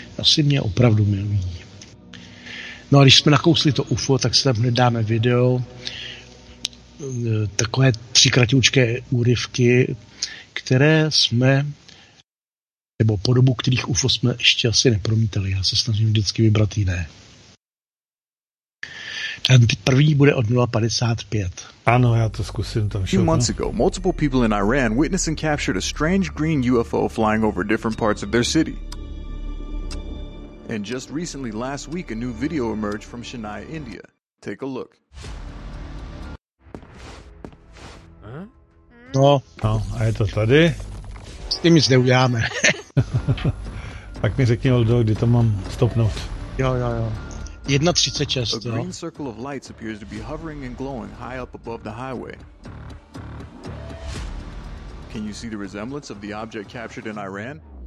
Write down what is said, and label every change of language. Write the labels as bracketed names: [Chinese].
[Czech] Asi mě opravdu milují. No a když jsme nakousli to UFO, tak se tam hned dáme video, takové 3 kratoučké úryvky, které jsme, nebo podobu, kterých UFO jsme ještě asi nepromítali. Já se snažím vždycky vybrat jiné. Ten první bude od 0:55. Ano, já to zkusím tam šoknout. [English] A few months ago, multiple people in Iran witnessed and captured a strange green UFO flying over different parts of their city. And just recently, last week, a new video emerged from Chennai, India. Take a look. [Czech] No. No, a je to tady. S tím nic neuděláme. Tak mi řekni, Oldo, kdy to mám stopnout. Jo. 1:36, jo. [English] A green circle of lights appears to be hovering and glowing high up above the highway. Can you see the resemblance of the object captured in Iran?